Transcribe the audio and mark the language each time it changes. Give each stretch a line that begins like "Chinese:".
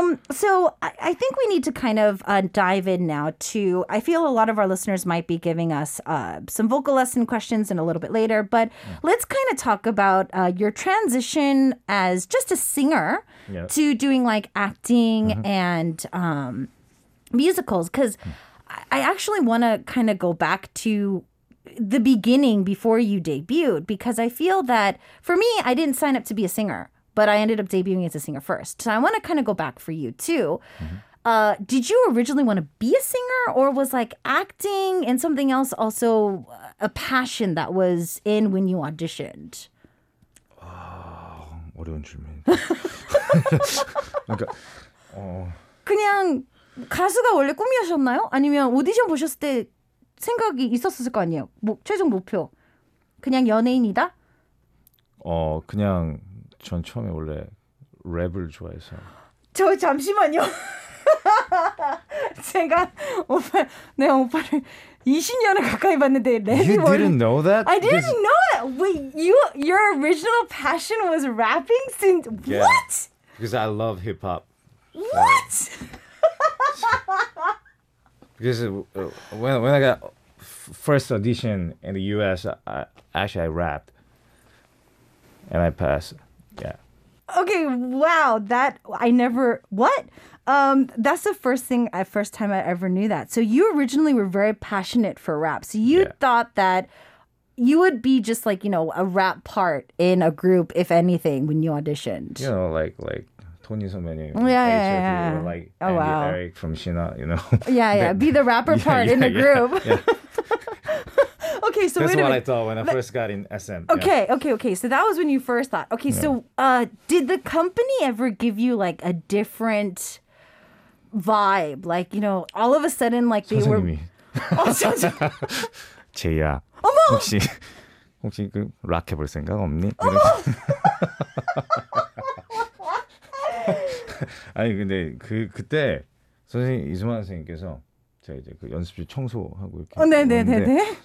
English: So I think we need to kind of dive in now to, I feel a lot of our listeners might be giving us some vocal lesson questions in a little bit later, but let's kind of talk about your transition as just a singer to doing like acting and musicals, because I actually want to kind of go back to the beginning before you debuted, because I feel that for me, I didn't sign up to be a singer. But I ended up debuting as a singer first. So I want to kind of go back for you, too. Mm-hmm. Did you originally want to be a singer, or was like acting and something else also a passion that was in when you auditioned?
Korean: Oh, 어려운 질문. 그러니까, 그냥 가수가 원래 꿈이었었나요? 아니면 오디션 보셨을 때 생각이 있었을 거 아니에요? 뭐, 최종 목표. 그냥 연예인이다? 그냥... 전 처음에 원래 랩을 좋아해서 저 잠시만요 제가 오빠 내 오빠를 20년을 가까이 봤는데 랩이
English: You didn't 원래, know that? I didn't this... know that Wait, your original passion was rapping since What? Because I love hip hop What? Because when I got first audition in the US I rapped and I passed Okay, wow, that, I never, what? That's the first thing, first time I ever knew that. So you originally were very passionate for rap. So you thought that you would be just like, you know, a rap part in a group, if anything, when you auditioned. You know, like Tony 선배님. Yeah. Or like Andy Eric from Sheena, you know. Yeah, yeah, be the rapper part in the group. Okay, so that's what I thought when I first got in SM. Okay, okay. So that was when you first thought. Okay, so did the company ever give you like a different vibe? Like, you know, all of a sudden, like they
Korean: 선생님이.
English: Were.
Korean: 제이야. 어머. 혹시 그 락 해볼 생각 없니? 어머. 아니 근데 그때 선생님 이수만 선생님께서. 제가 이제 그 연습실 청소하고 이렇게 네네네네